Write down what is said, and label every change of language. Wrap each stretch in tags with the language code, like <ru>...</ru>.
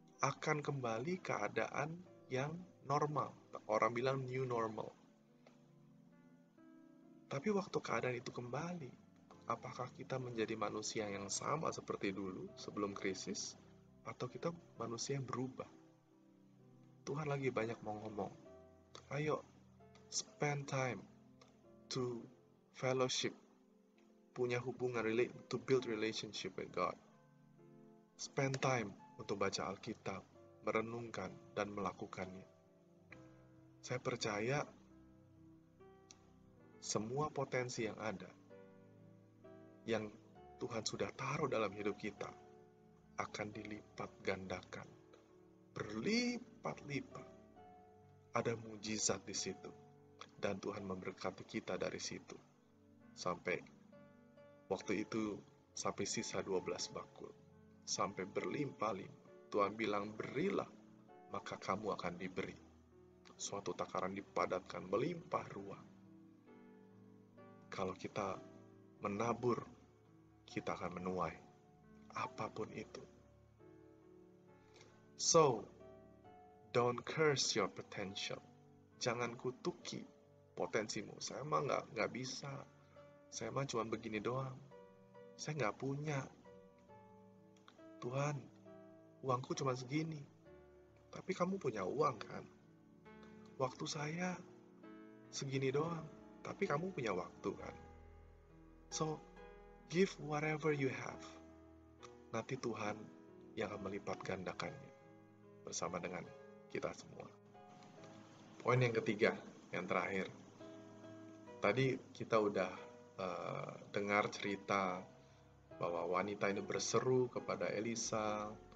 <id>Akan kembali keadaan yang normal. Orang bilang new normal. Tapi waktu keadaan itu kembali, apakah kita menjadi manusia yang sama seperti dulu sebelum krisis? Atau kita manusia yang berubah? Tuhan lagi banyak mau ngomong. Ayo,</id> <en>spend time to fellowship,</en> <id>punya hubungan,</id> <en>to build relationship with God. Spend time</en> <id>untuk baca Alkitab, merenungkan, dan melakukannya. Saya percaya semua potensi yang ada, yang Tuhan sudah taruh dalam hidup kita, akan dilipat gandakan, berlipat-lipat. Ada mujizat di situ, dan Tuhan memberkati kita dari situ, sampai waktu itu, sampai sisa 12 bakul, sampai berlimpah-limpah. Tuhan bilang, berilah, maka kamu akan diberi. Suatu takaran dipadatkan, melimpah ruah. Kalau kita menabur, kita akan menuai apapun itu.</id> <en>So, don't curse your potential.</en> <id>Jangan kutuki potensimu. Saya mah nggak bisa. Saya mah cuma begini doang. Saya nggak punya. Tuhan, uangku cuma segini. Tapi kamu punya uang kan? Waktu saya segini doang, tapi kamu punya waktu kan?</id> <en>So, give whatever you have.</en> <id>Nanti Tuhan yang akan melipat gandakannya bersama dengan kita semua. Poin yang ketiga, yang terakhir. Tadi kita udah dengar cerita bahwa wanita ini berseru kepada Elisa.</id>